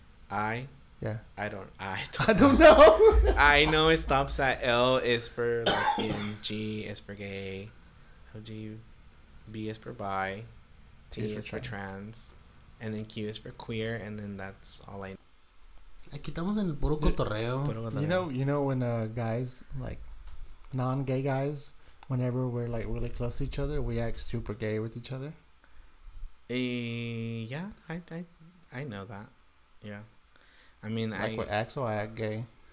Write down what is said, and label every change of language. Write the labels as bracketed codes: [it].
[en] I... Yeah. I don't know. I know it stops at L is for lesbian, G is for gay, LG, B is for bi, T is for trans, and then Q is for queer, and then that's all I know. [es] Aquí estamos en el puro cotorreo. [en] You know when guys, like non-gay guys, whenever we're like really close to each other, we act super gay with each other? I know that. Yeah. I mean, like with Axel, I act gay.